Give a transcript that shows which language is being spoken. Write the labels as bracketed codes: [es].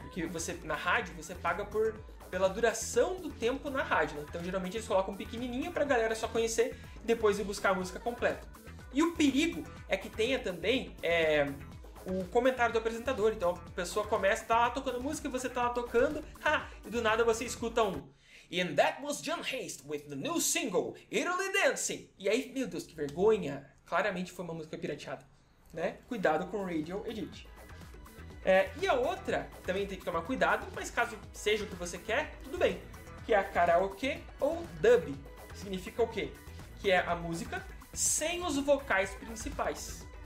[pt] Porque você, na rádio, você paga pela duração do tempo na rádio, né? Então geralmente eles colocam um pequenininho pra galera só conhecer e depois ir buscar a música completa. E o perigo é que tenha também o comentário do apresentador. Então a pessoa começa, tá lá tocando música e você tá lá tocando, ha! E do nada você escuta um [en] "And that was John Haste with the new single, Italy Dancing." [pt] E aí, meu Deus, que vergonha. Claramente foi uma música pirateada, né? Cuidado com o Radio Edit. É, e a outra, também tem que tomar cuidado, mas caso seja o que você quer, tudo bem. Que é a karaokê ou dub. Significa o quê? Que é a música sem os vocais principais.